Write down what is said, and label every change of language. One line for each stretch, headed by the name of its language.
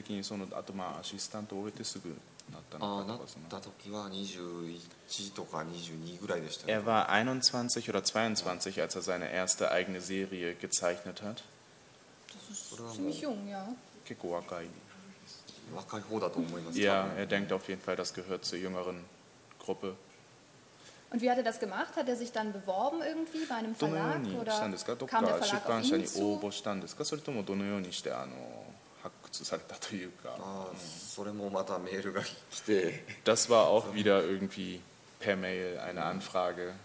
Japanese: じゃあプロの漫画家としてあのま自らの知り合いを手掛けるようになったのはいつ頃なんですか？で何を手掛け始めたのか？いつ頃？っていうのは年齢的に。まあ年齢的にそのあとまあアシスタントを終えてすぐ。
German: Er war 21 oder 22, als er seine erste eigene Serie gezeichnet hat. Das ist ziemlich jung, ja.
Japanese: 結構若い。若い方だと思います。
German: Ja, er denkt auf jeden Fall, das gehört zur jüngeren Gruppe. Und wie hat er das gemacht? Hat er sich dann beworben irgendwie bei einem Verlag?
Japanese: どのようにしたんですか？どこか出版社に応募したんですか？それともどのようにしてあの
German: Das war auch wieder irgendwie per Mail eine Anfrage.